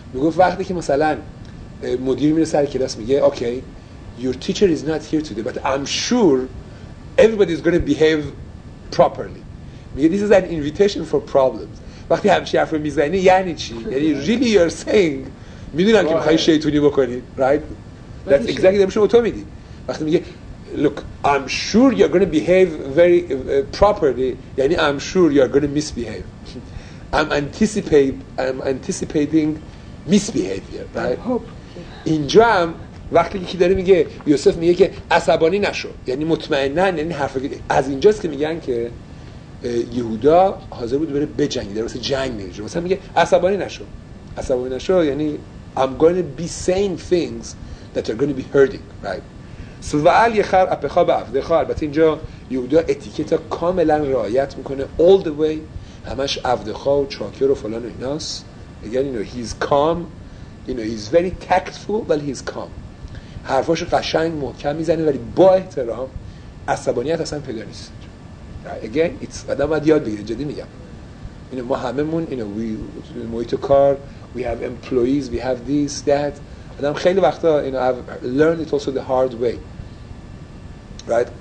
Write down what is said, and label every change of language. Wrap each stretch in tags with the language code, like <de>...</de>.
<fa>میگفت وقتی که مثلا مدیر میره سر کلاس میگه اوکی</fa> <en>your teacher is not here today but I'm sure everybody is going to behave properly.</en> <fa>میگه</fa> <en>this is an invitation for problems.</en> <fa>وقتی همچی حرف میزنی یعنی چی؟ یعنی</fa> <en>really you're saying</en> <fa>میدونم که میخوایی شیطونی بکنی،</fa> <en>right? That's exactly the same</en> <fa>تو میدی. وقتی میگه</fa> <en>look I'm sure you're going to behave very properly</en> <fa>یعنی</fa> <en>I'm sure you're going to misbehave. I'm anticipating misbehavior, right?</en> <fa>اینجا هم وقتی یکی داره میگه، یوسف میگه که عصبانی نشو، یعنی مطمئنن، یعنی حرف گیده. از اینجاست که میگن که یهودا حاضر بود بره بجنگه، در واسه جنگ نمیشه. مثلا میگه عصبانی نشو. عصبانی نشو یعنی</fa> <en>I'm going to be saying things that are going to be hurting, right?</en> <fa>سوال یه خر اپخا به عفده خواه. البته اینجا یهودا اتیکتا کاملا رعایت میکنه،</fa> <en>all the way</en> <fa>همش عفده خواه و چاکر و فلان و ایناس.</fa> <en>Again, you know, he's calm. You know, he's very tactful, but he's calm.</en> <fa>حرفاش قشنگ محکم میزنه ولی با احترام، عصبانیت اصلا پیدا نیست.</fa> <en>Again, it's</en> <fa>آدم باید یاد بگیره، جدی میگم.</fa> <en>You know,</en> <fa>ما هممون,</fa> <en>you know, we</en> <fa>محیط کار,</fa> <en>we have employees, we have this, that.</en> <fa>آدم خیلی وقتا,</fa> <en>you know, I've learned it also the hard way. Right?</en>